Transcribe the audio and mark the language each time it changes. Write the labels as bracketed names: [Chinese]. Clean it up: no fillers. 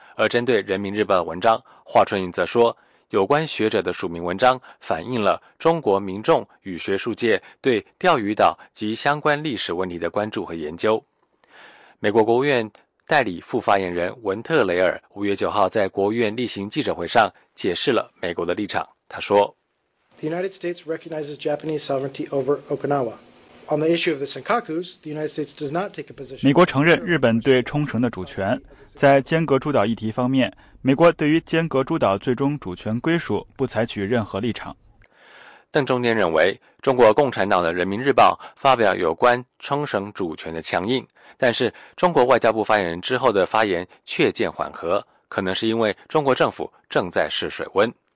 [Chinese] 而针对人民日报的文章，华春莹则说，有关学者的署名文章反映了中国民众与学术界对钓鱼岛及相关历史问题的关注和研究。美国国务院代理副发言人文特雷尔5月9号在国务院例行记者会上解释了美国的立场。他说， [English] The United States recognizes Japanese sovereignty over Okinawa. On the issue of the Senkakus, the United States does not take a position. [Chinese] 美国承认日本对冲绳的主权。在尖阁诸岛议题方面，美国对于尖阁诸岛最终主权归属不采取任何立场。邓中坚认为，中国共产党的人民日报发表有关冲绳主权的强硬，但是中国外交部发言人之后的发言却渐缓和，可能是因为中国政府正在试水温。